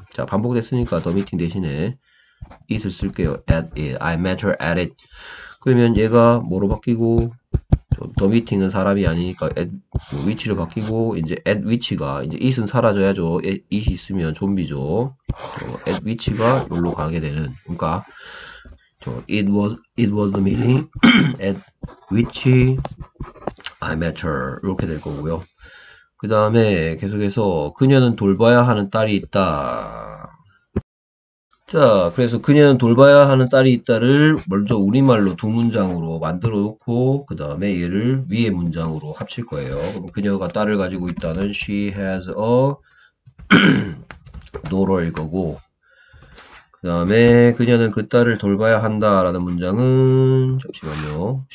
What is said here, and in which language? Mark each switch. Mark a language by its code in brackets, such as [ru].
[ko] 자, 반복됐으니까 더 미팅 대신에 it을 쓸게요. [en] at it. I met her at it. [ko] 그러면 얘가 뭐로 바뀌고 더 미팅은 사람이 아니니까 at 뭐 위치로 바뀌고 이제 at 위치가 이제 it은 사라져야죠. it 있으면 좀비죠. at 위치가 여기로 가게 되는. [en] 그러니까 it was the meeting at which I met her. [ko] 이렇게 될 거고요. 그 다음에 계속해서 그녀는 돌봐야 하는 딸이 있다. 자, 그래서 그녀는 돌봐야 하는 딸이 있다를 먼저 우리말로 두 문장으로 만들어 놓고 그 다음에 얘를 위에 문장으로 합칠 거예요. 그녀가 딸을 가지고 있다는 [en] she has a daughter [ko] 일 거고 그 다음에 그녀는 그 딸을 돌봐야 한다라는 문장은 잠시만요.